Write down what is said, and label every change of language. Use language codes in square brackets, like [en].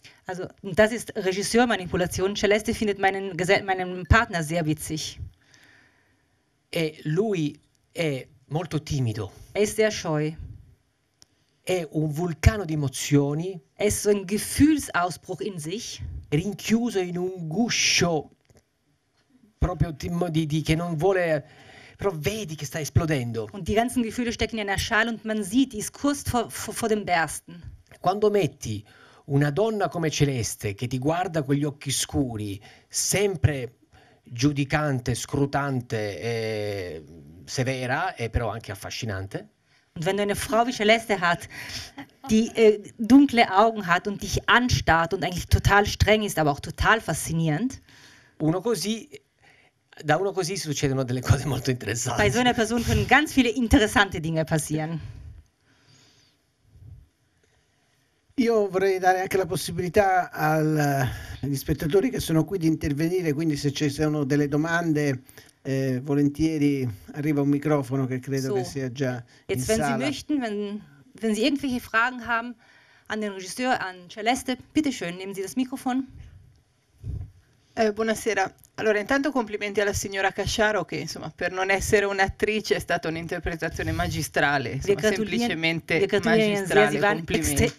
[de] Also, das ist Regisseurmanipulation. Celeste findet meinen Partner sehr witzig. [it] E lui è molto timido. [de] Er ist sehr scheu. [it] È un vulcano di emozioni. [de] Er ist so ein Gefühlsausbruch in sich. [it] Rinchiuso in un guscio proprio di che non vuole, però vedi che sta esplodendo. [de] Und die ganzen Gefühle stecken in der Schale und man sieht, die ist kurz vor dem Bersten. [it] Quando metti una donna come Celeste che ti guarda con gli occhi scuri, sempre giudicante, scrutante, severa e però anche affascinante. [de] Und wenn du eine Frau wie Celeste hat, die dunkle Augen hat und dich anstarrt und eigentlich total streng ist, aber auch total faszinierend. [it] Uno così, da uno così succedono delle cose molto interessanti. [de] Bei so einer Person können ganz viele interessante Dinge passieren. [it] Io vorrei dare anche la possibilità agli spettatori che sono qui di intervenire, quindi se ci sono delle domande, volentieri arriva un microfono che credo che sia già [de] jetzt in wenn [it] sala. [de] Sie möchten, wenn Sie irgendwelche Fragen haben an den Regisseur, an Celeste, bitte schön, nehmen Sie das Mikrofon. [it] Buonasera. Allora, intanto complimenti alla signora Casciaro che, insomma, per non essere un'attrice è stata un'interpretazione magistrale, insomma, semplicemente magistrale, complimenti.